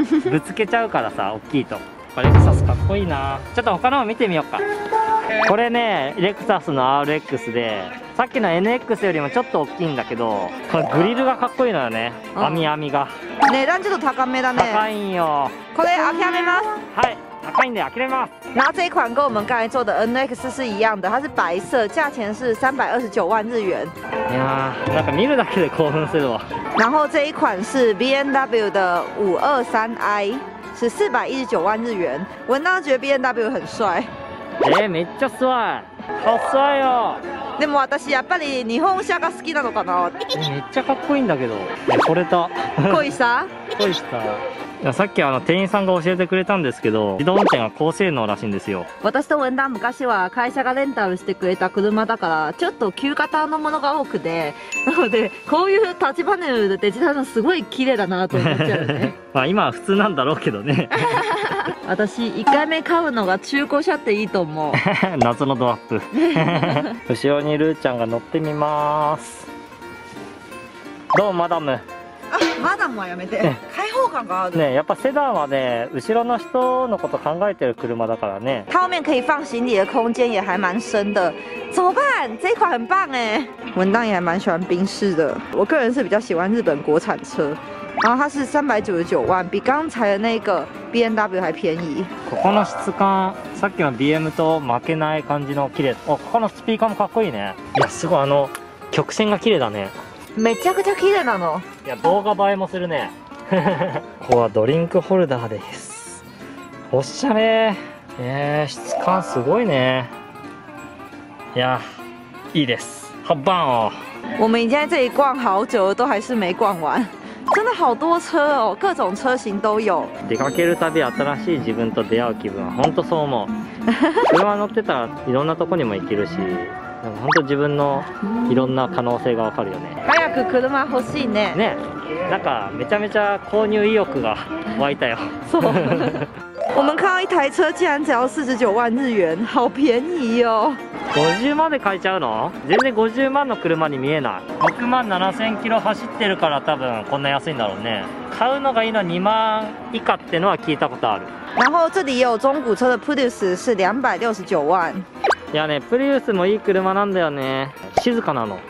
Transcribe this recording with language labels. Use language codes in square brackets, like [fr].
[ja] ぶつけちゃうからさ、大きいと。レクサスかっこいいな。ちょっと他のも見てみようか。これね、レクサスの RX で、さっきの NX よりもちょっと大きいんだけど、これグリルがかっこいいのよね。網が値段ちょっと高めだね。高いんよ。これ開けます。はい、開高いんで諦めます。 [zh] 然后这一款跟我们刚才做的 NX 是一样的，它是白色，价钱是329万日元。 [ja] いやなんか見るだけで興奮するわ。 [zh] 然后这一款是 BMW 的 523i， 是419万日元。文当觉得 BMW 很帅。 [ja] めっちゃ [zh] 帅。好帅哦。 [ja] でも私やっぱり日本車が好きなのかな。めっちゃかっこいいんだけど。これと恋した恋した。さっきあの店員さんが教えてくれたんですけど、自動運転が高性能らしいんですよ。私と文旦昔は会社がレンタルしてくれた車だから、ちょっと旧型のものが多くて、なのでこういうタッチパネルでデジタルのすごい綺麗だなと思っちゃうね。まあ今は普通なんだろうけどね。私1回目買うのが中古車っていいと思う。夏のドアップ後ろにルーちゃんが乗ってみます。どうマダム。あ、マダムはやめて。開放感があるね。やっぱセダンはね、後ろの人のこと考えてる車だからね。 [zh] 後面可以放行李的空間也还蛮深的。怎么办？这款很棒哎。文旦也还蛮喜欢宾士的，我个人是比较喜欢日本国产车。然后它是399万，比刚才的那个 BMW 还便宜。 [ja] ここの質感、さっきの BM と負けない感じの綺麗。お、ここのスピーカーもかっこいいね。いやすごい、あの曲線が綺麗だね。めちゃくちゃ綺麗なの。いや動画映えもするね。ここはドリンクホルダーです。おしゃれ。質感すごいね。いやいいです。 [zh] 好棒哦。我们已经在这里逛好久了，都还是没逛完。真的好多车哦，各种车型都有。 [ja] 出かけるたび新しい自分と出会う気分は本当そう思う。車乗ってたらいろんなとこにも行けるし、でも本当自分のいろんな可能性がわかるよね。早く車欲しいね。ね、なんかめちゃめちゃ購入意欲が湧いたよ。そう。 [zh] 我们看到一台车竟然只要49万日元，好便宜哦。 [ja] 50万で買えちゃうの？全然50万の車に見えない。6万7000キロ走ってるから多分こんな安いんだろうね。買うのがいいのは2万以下ってのは聞いたことある。 [zh] 然后这里也有中古车的 Prius 是269万。 [ja] いやね、プリウスもいい車なんだよね。静かなの。